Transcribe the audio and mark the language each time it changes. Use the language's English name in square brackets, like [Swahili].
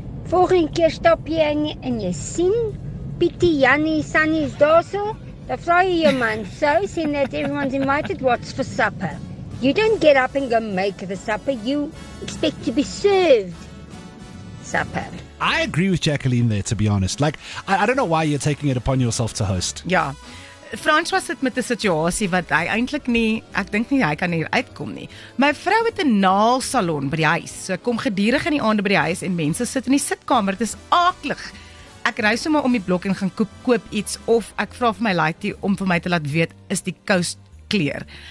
[Afrikaans] Volgende keer stap jy en jy sien Pietie, Jannie, Sannie is daar so. Dan vra jy jou man, [English] so, seeing that everyone's invited, what's for supper? You don't get up and go make the supper. You expect to be served supper. I agree with Jacqueline there, to be honest. Like, I don't know why you're taking it upon yourself to host. Yeah. [Afrikaans] Frans was sit met 'n situasie wat hy eintlik nie, ek dink nie hy kan hier uitkom nie. My vrou het 'n naalsalon by die huis. So ek kom gedurig in die aande by die huis en mense sit in die sitkamer. Dit is aaklig. Ek ry sommer om die blok en gaan koop iets of ek vra vir my lady om vir my te laat weet is die [English] coast clear.